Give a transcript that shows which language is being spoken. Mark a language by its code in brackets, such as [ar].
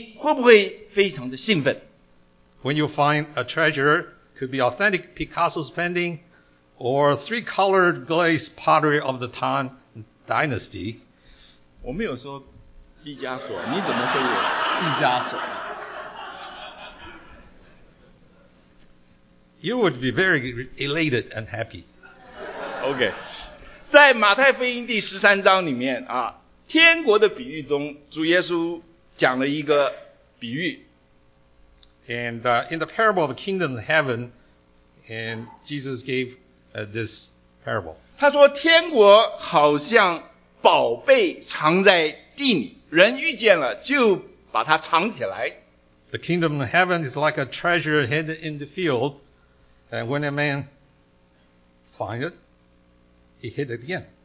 [zh] 当你发现到一个名画或者是一幅唐朝三彩釉的陶器，你会不会非常的兴奋？ [en] When you find a treasure, could be authentic Picasso's painting or three-colored glazed pottery of the Tang Dynasty. [zh] 我没有说毕加索，你怎么说我毕加索？ [en] You would be very elated and happy. [zh] OK， 在马太福音第13章里面啊，天国的比喻中，主耶稣讲了一个比喻。 [en] And in the parable of the kingdom of heaven, and Jesus gave this parable. [zh] 他说天国好像 宝贝藏在地里，人遇见了就把它藏起来。The [en] kingdom of heaven is like a treasure hidden in the field, and when a man finds it, he hid it again.